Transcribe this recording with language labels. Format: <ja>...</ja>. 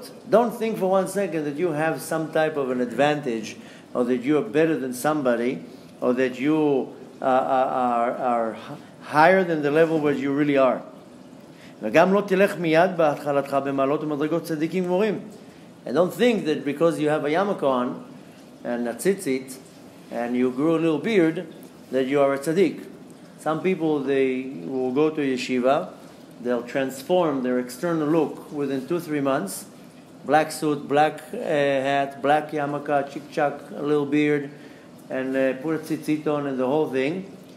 <en>Don't think for 1 second that you have some type of an advantage, or that you are better than somebody, or that you are higher than the level where you really are.</en> <he>וגם לא תלך מיד בהתחלתך במעלות ומדרגות צדיקים גמורים.</he> <en>And don't think that because you have a yarmulke on and a tzitzit and you grew a little beard that you are a tzaddik. Some people, they will go to yeshiva, they'll transform their external look within 2-3 months, black suit, black hat, black yarmulke, chik-chak, a little beard, and put a tzitzit on and the whole thing.</en>